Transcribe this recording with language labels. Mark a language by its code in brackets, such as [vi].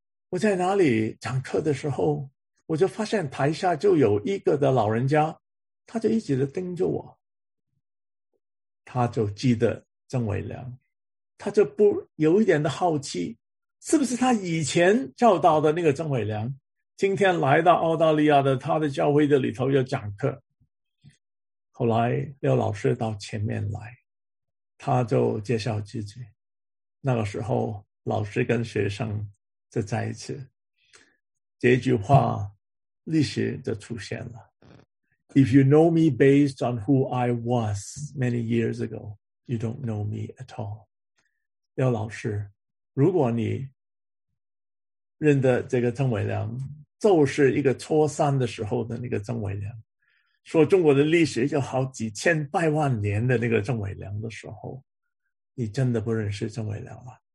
[zh] 我在哪里讲课的时候，我就发现台下就有一个的老人家，他就一直的盯着我，他就记得曾伟良，他就不有一点的好奇，是不是他以前教导的那个曾伟良今天来到澳大利亚的他的教会的里头要讲课。后来廖老师到前面来，他就介绍自己，那个时候老师跟学生就在一起，这句话历史就出现了。 [en] If you know me based on who I was many years ago, you don't know me at all. [zh] 廖老师，如果你认得这个曾伟良，就是一个初三的时候的那个曾伟良，说中国的历史有好几千百万年的那个曾伟良的时候，你真的不认识曾伟良了。